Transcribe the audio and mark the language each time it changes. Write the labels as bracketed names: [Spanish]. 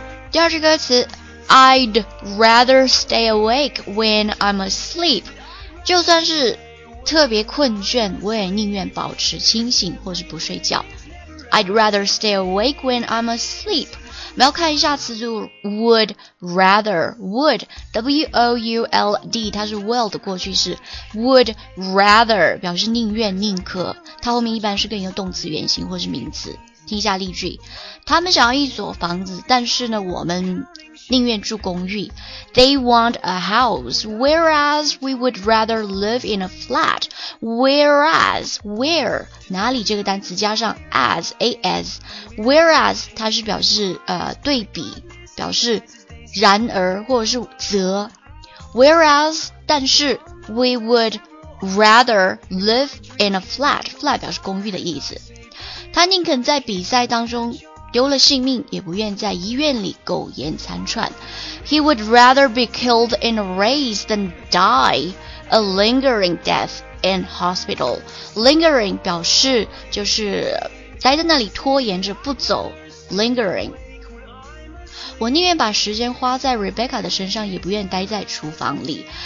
[Chinese] 第二支歌词 [English] I'd rather stay awake when I'm asleep. [Chinese] 就算是特别困倦，我也宁愿保持清醒或是不睡觉。 [English] I'd rather stay awake when I'm asleep. [Chinese] 我们要看一下词组 would rather, would, W-O-U-L-D, 它是 will 的过去式， would rather, 表示宁愿宁可，它后面一般是跟一个动词原形或是名词。听一下例句，他们想要一所房子，但是呢，我们宁愿住公寓。 [English] They want a house, whereas we would rather live in a flat. [Chinese] Whereas, where, 哪里这个单词加上 as, as, whereas, 它是表示对比，表示然而或者是则。 [English] Whereas, [Chinese] 但是 [English] we would rather live in a flat. [Chinese] Flat 表示公寓的意思。他宁肯在比赛当中丢了性命，也不愿在医院里苟延残喘。 [English] He would rather be killed in a race than die a lingering death in hospital. [Chinese] Lingering 表示就是待在那里拖延着不走。Lingering. 我宁愿把时间花在 Rebecca 的身上，也不愿待在厨房里。